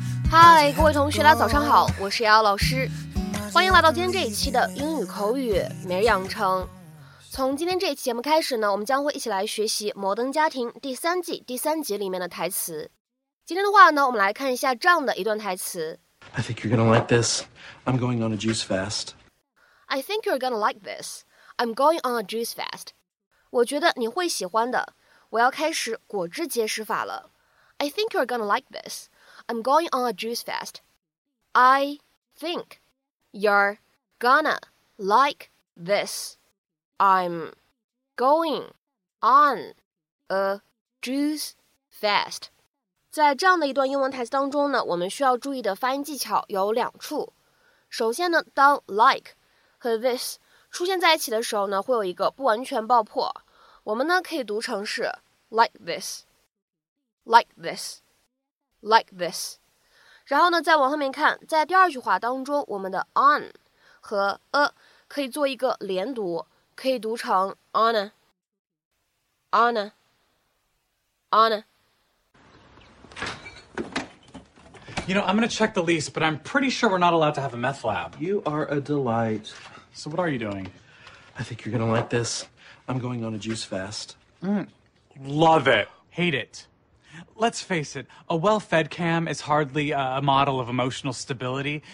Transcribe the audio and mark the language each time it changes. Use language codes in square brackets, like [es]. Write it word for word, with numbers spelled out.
[zh] 嗨，各位同学大家早上好，我是姚老师，欢迎来到今天这一期的英语口语每日养成。从今天这一期节目开始呢，我们将会一起来学习《摩登家庭》第三季第三集里面的台词。今天的话呢，我们来看一下这样的一段台词。 [en] I think you're gonna like this. I'm going on a juice fast. I think you're gonna like this. I'm going on a juice fast. [zh] 我觉得你会喜欢的。我要开始果汁节食法了。 [en] I think you're gonna like this. I'm going on a juice fast. I think you're gonna like this. I'm going on a juice fast. [zh] 在这样的一段英文台词当中呢，我们需要注意的发音技巧有两处。首先呢，当 like 和 this 出现在一起的时候呢，会有一个不完全爆破。我们呢可以读成是 like this, like this, like this。然后呢，再往后面看，在第二句话当中，我们的 on 和 a 可以做一个连读，可以读成 on a, on a, on a。 [en] You know, I'm going to check the lease, but I'm pretty sure we're not allowed to have a meth lab. You are a delight. So what are you doing? I think you're going to like this. I'm going on a juice fast. Mm. Love it. Hate it. Let's face it, a well-fed cam is hardly uh, a model of emotional stability.